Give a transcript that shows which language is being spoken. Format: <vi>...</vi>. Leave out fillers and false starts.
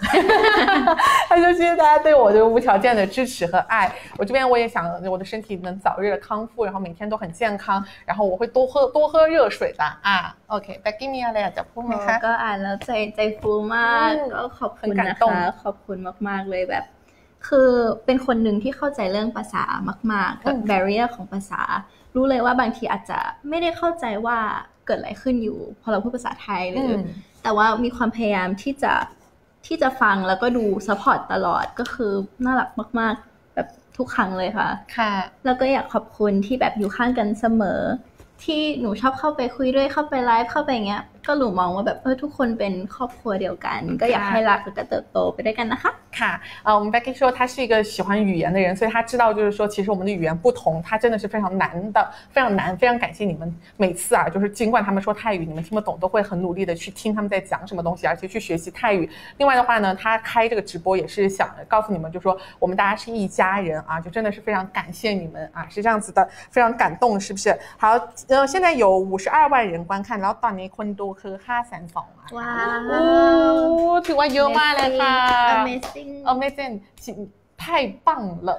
<th>ๆค่ะแล้วก็</th> <zh>谢谢大家对我的无条件的支持和爱我这边我也想我的身体能早日的康复然后每天都很健康然后我会多喝多喝热水的啊 OK 再给你啊来再铺门开我</zh> <th>ก็อ่านแล้วใจใจฟูมากก็ขอบคุณนะคะขอบคุณมากๆเลยแบบคือเป็นคนหนึ่งที่เข้าใจเรื่องภาษามากๆกับ barrier ของภาษารู้เลยว่าบางทีอาจจะไม่ได้เข้าใจว่าเกิดอะไรขึ้นอยู่พอเราพูดภาษาไทยหรือแต่ว่ามีความพยายามที่จะฟังแล้วก็ดูซัพพอร์ตตลอดก็คือน่ารักมากๆแบบทุกครั้งเลยค่ะ ค่ะ แล้วก็อยากขอบคุณที่แบบอยู่ข้างกันเสมอที่หนูชอบเข้าไปคุยด้วยเข้าไปไลฟ์เข้าไปเงี้ยก็หนูมองว่าแบบทุกคนเป็นครอบครัวเดียวกันก็อยากให้รักและเติบโตไปด้วยกันนะคะ</th> <zh>ค่ะเบ็คกี้说他是一个喜欢语言的人所以他知道就是说其实我们的语言不同他真的是非常难的非常难非常感谢你们每次啊就是尽管他们说泰语你们听不懂都会很努力的去听他们在讲什么东西而且去学习泰语另外的话呢他开这个直播也是想告诉你们就说我们大家是一家人啊就真的是非常感谢你们啊是这样子的非常感动是不是好现在有520,000人观看然后到你坤都</zh> <th>คือ</th> <zh>530,000</zh> <th>ว้า วถือว่าเยอะมากเลยค่ะ</th> <en>Amazing Amazing</en> <th>ถ่ายปัง了</th>